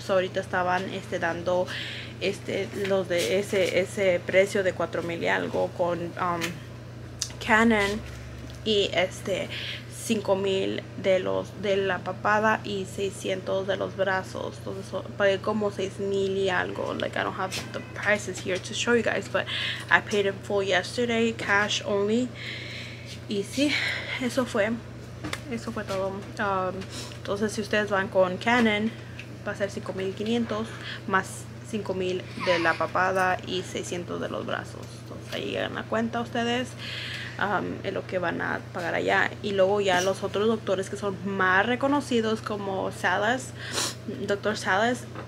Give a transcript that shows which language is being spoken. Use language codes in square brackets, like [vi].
[es] So ahorita estaban dando los de ese precio de 4,000 y algo con Canon, y 5,000 de la papada y 600 de los brazos. Entonces pagué como 6,000 y algo. [en] Like, I don't have the prices here to show you guys, but I paid in full yesterday, cash only. [es] Y sí, eso fue todo. Entonces, si ustedes van con Canon, va a ser 5,500 más 5,000 de la papada y 600 de los brazos. Entonces ahí llegan la cuenta ustedes. Es lo que van a pagar allá. Y luego ya los otros doctores que son más reconocidos, como Salas, doctor Salas.